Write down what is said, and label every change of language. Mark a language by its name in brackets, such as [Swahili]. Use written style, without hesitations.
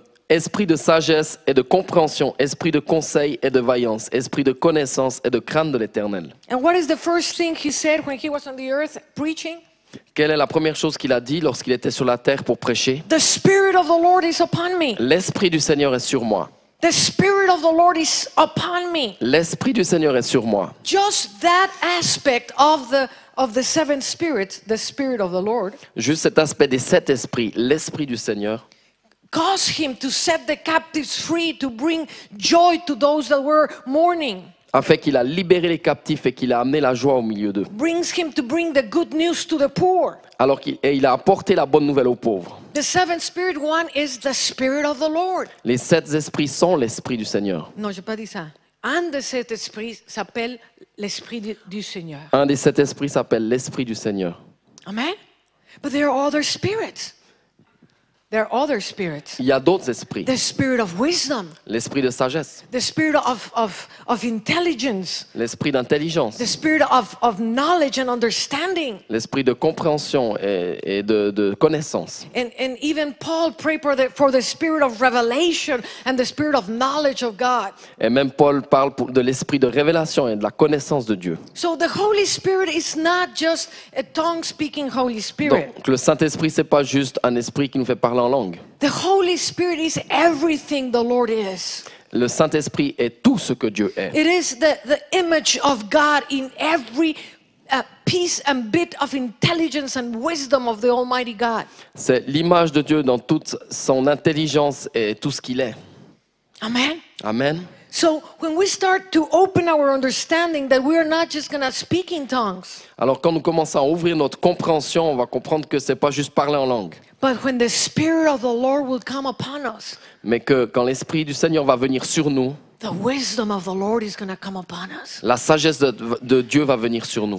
[French] Esprit de sagesse et de compréhension, esprit de conseil et de vaillance, esprit de connaissance et de crainte de l'Éternel. [English] And what is the first thing he said when he was on the earth preaching? [French] Quelle est la première chose qu'il a dit lorsqu'il était sur la terre pour prêcher? [English] The spirit of the Lord is upon me. [French] L'esprit du Seigneur est sur moi. [English] The Spirit of the Lord is upon me. [French] L'Esprit du Seigneur est sur moi. [English] Just that aspect of the seven spirits, the Spirit of the Lord. [French] Juste cet aspect des sept esprits, l'Esprit du Seigneur. [English] Cause him to set the captives free, to bring joy to those that were mourning. [French] Afin qu'il a libéré les captifs et qu'il a amené la joie au milieu d'eux. [English] Brings him to bring the good news to the poor. [French] Alors qu'il a apporté la bonne nouvelle aux pauvres. [English] The seventh spirit, one is the Spirit of the Lord. [French] Les sept esprits sont l'Esprit du Seigneur. Non, je n'ai pas dit ça. Un des sept esprits s'appelle l'Esprit du Seigneur. Un des sept esprits s'appelle l'Esprit du Seigneur. [English] Amen. But there are other spirits. There are other spirits. [French] Il y a d'autres esprits. [English] The spirit of wisdom. [French] L'esprit de sagesse. [English] The spirit of intelligence. [French] L'esprit d'intelligence. [English] The spirit of knowledge and understanding. [French] L'esprit de compréhension et de connaissance. [English] And even Paul prayed for the spirit of revelation and the spirit of knowledge of God. [French] Et même Paul parle de l'esprit de révélation et de la connaissance de Dieu. [English] So the Holy Spirit is not just a tongue-speaking Holy Spirit. [French] Donc le Saint-Esprit c'est pas juste un esprit qui nous fait parler en langue. [English] The Holy Spirit is everything the Lord is. [French] Le Saint-Esprit est tout ce que Dieu est. [English] It is the image of God in every piece and bit of intelligence and wisdom of the Almighty God. [French] C'est l'image de Dieu dans toute son intelligence et tout ce qu'il est. [English] Amen. [French] Amen. [English] So when we start to open our understanding that we are not just going to speak in tongues. [French] Alors quand nous commençons à ouvrir notre compréhension, on va comprendre que c'est pas juste parler en langue. [English] But when the Spirit of the Lord will come upon us. [French] Mais que quand l'Esprit du Seigneur va venir sur nous. [English] The wisdom of the Lord is going to come upon us. [French] La sagesse de Dieu va venir sur nous.